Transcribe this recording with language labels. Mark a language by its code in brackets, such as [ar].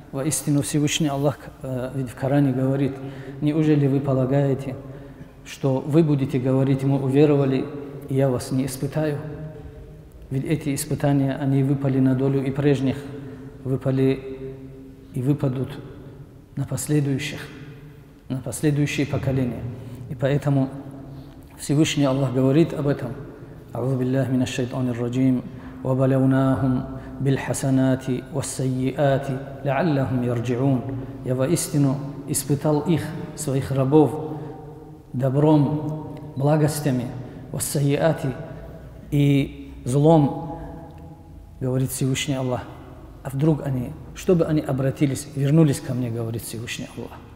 [ru] Воистину Всевышний Аллах ведь в Коране говорит: «Неужели вы полагаете, что вы будете говорить, мы уверовали, и я вас не испытаю?» Ведь эти испытания, они выпали на долю и прежних, выпали и выпадут на последующих, на последующие поколения. И поэтому Всевышний Аллах говорит об этом. [ar] أعوذ بالله من الشيطان الرجيم وبلوناهم بالحسنات والسيئات لعلهم يرجعون. [ru] Я воистину испытал их, своих рабов, добром, благостями, والسيئات, и злом, говорит Всевышний Аллах. А вдруг они, чтобы они обратились, вернулись ко мне, говорит Всевышний Аллах.